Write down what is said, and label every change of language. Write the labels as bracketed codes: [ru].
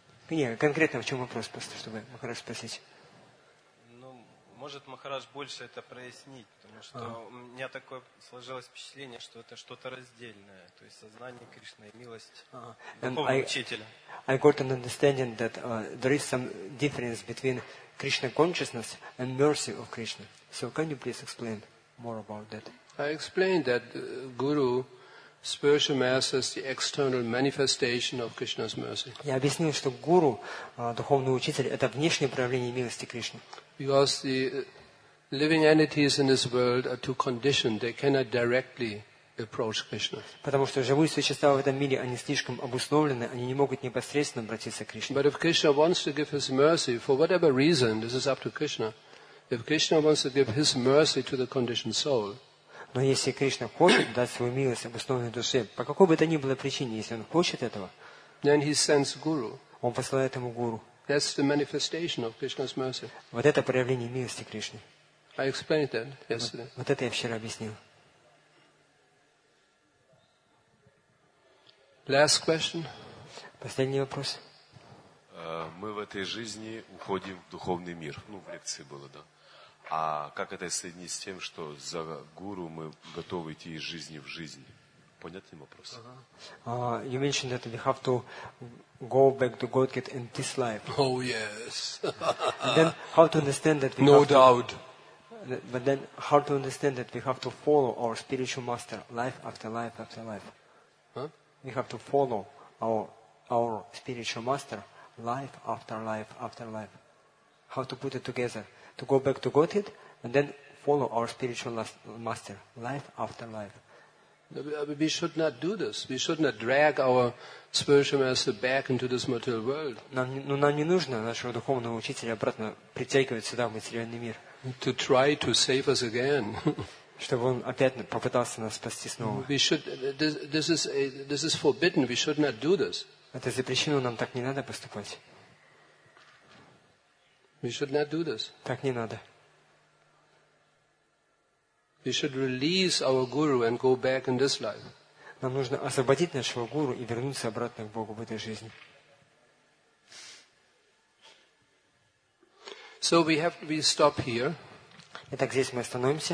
[ru] Не, конкретно в чем вопрос, просто чтобы Махарадж спросить. Ну, может Махарадж больше это прояснить, потому что у меня такое сложилось впечатление, что это что-то раздельное, то есть сознание Кришны и милость духовного учителя. [en] I got an understanding that there is some difference between Krishna consciousness and mercy of Krishna. So can you please explain more about that? I explained that Guru, spiritual master, is the external manifestation of Krishna's mercy. [ru] Я объяснил, что гуру, духовный учитель, это внешнее проявление милости Кришны. [en] Because the living entities in this world are too conditioned; they cannot directly approach Krishna. [ru] Потому что живые существа в этом мире они слишком обусловлены, они не могут непосредственно обратиться к Кришне. [en] But if Krishna wants to give his mercy for whatever reason, this is up to Krishna. If Krishna wants to give his mercy to the conditioned soul. [ru] Но если Кришна хочет дать свою милость обоснованной душе, по какой бы то ни было причине, если он хочет этого, [en] then he sends guru. [ru] Он посылает ему гуру. [en] That's the manifestation of Krishna's mercy. [ru] Вот это проявление милости Кришны. [en] I explained that yesterday. [ru] Вот это я вчера объяснил. [en] Last question. [ru] Последний вопрос. Мы в этой жизни уходим в духовный мир. Ну, в лекции было, да. А как это соединить с тем, что за гуру мы готовы идти из жизни в жизнь? Понятный вопрос? [en] You mentioned that we have to go back to Godhead in this life. Oh, yes. And then how to understand that we no have doubt. To, but then how to understand that we have to follow our spiritual master life after life after life? Huh? We have to follow our spiritual master life after life after life. How to put it together? To go back to Godhead and then follow our spiritual master life after life. We should not do this. We should not drag our spiritual master back into this material world. [ru] Нам не нужно нашего духовного учителя обратно притягивать сюда, в материальный мир. [en] To try to save us again. [ru] Чтобы он опять попытался нас спасти снова. [en] This is forbidden. We should not do this. [ru] Это запрещено, нам так не надо поступать. [en] We should not do this. [ru] Так не надо. [en] We should release our guru and go back in this life. [ru] Нам нужно освободить нашего гуру и вернуться обратно к Богу в этой жизни. [en] So we have to stop here. [ru] Итак, здесь мы остановимся.